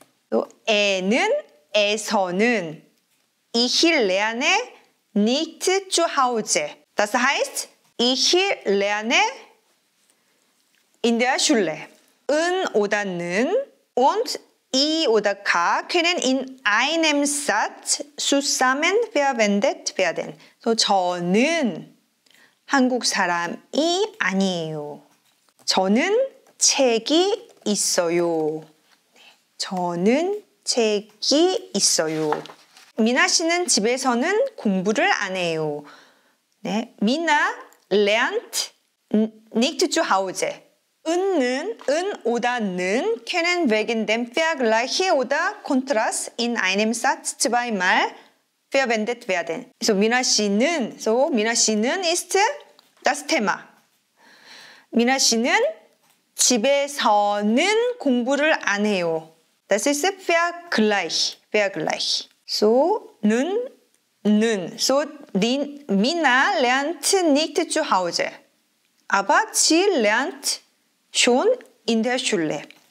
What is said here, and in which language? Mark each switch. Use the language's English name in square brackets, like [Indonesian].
[Korean] 또 에서는 [German] Ich lerne nicht zu Hause. Das heißt, ich lerne in der Schule. 은 oder 는 und I oder K können in einem Satz zusammen verwendet werden. [Korean] So, 저는 한국 사람이 아니에요. 저는 책이 있어요. 저는 책이 있어요. 미나 씨는 집에서는 공부를 안 해요. [German] 네, 미나 lernt nicht zu Hause. 은는 은 oder는 können wegen dem Vergleich oder Kontrast in einem Satz zweimal verwendet werden. So 미나 씨는 ist das Thema. [Korean] 미나 씨는 집에서는 공부를 안 해요. [German] Das ist Vergleich. Vergleich. So, 는. So, 미나 lernt nicht zu Hause. Aber sie lernt schon in der Schule.